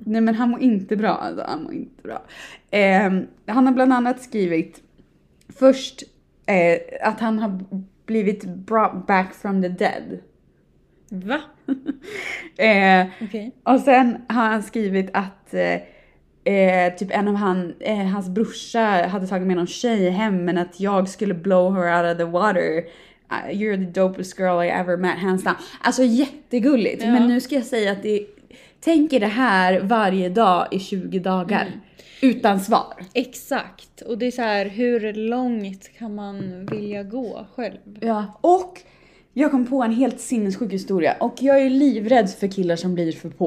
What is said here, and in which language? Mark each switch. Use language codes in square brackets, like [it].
[sv] Nej, men han mår inte bra, alltså. Han mår inte bra. Han har bland annat skrivit först att han har blivit [en] brought back from the dead. [sv] Va? Okay. Och sen har han skrivit att typ en av hans brorsa hade tagit med någon tjej hem, men att jag skulle [en] blow her out of the water. You're the dopest girl I ever met, hands down. [sv] Alltså jättegulligt. Ja. Men nu ska jag säga att det, tänk er det här varje dag i 20 dagar. Mm. Utan svar. Exakt. Och det är så här, hur långt kan man vilja gå själv? Ja, och jag kom på en helt sinnessjuk historia. Och jag är livrädd för killar som blir för på.